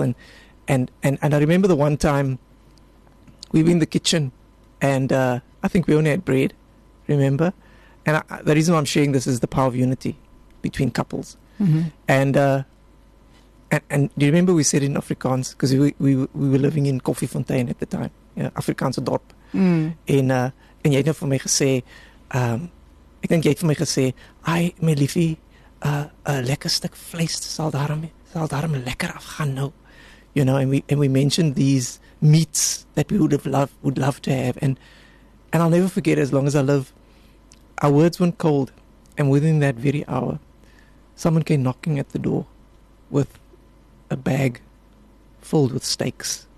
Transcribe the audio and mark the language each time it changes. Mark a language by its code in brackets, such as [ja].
[en] And and I remember the one time we were in the kitchen, and I think we only had bread, remember? And I, the reason why I'm sharing this is the power of unity between couples. And do you remember we said in Afrikaans, because we were living in Koffiefontein at the time, [af] Afrikaanse dorp. En jy het nou vir my gesê, ek denk jy het vir my gesê, ai, my liefie, lekker stuk vlees sal daarom lekker afgaan nou. [en] You know, and we mentioned these meats that we would love to have. And I'll never forget, as long as I live, our words went cold. And within that very hour, someone came knocking at the door with a bag filled with steaks.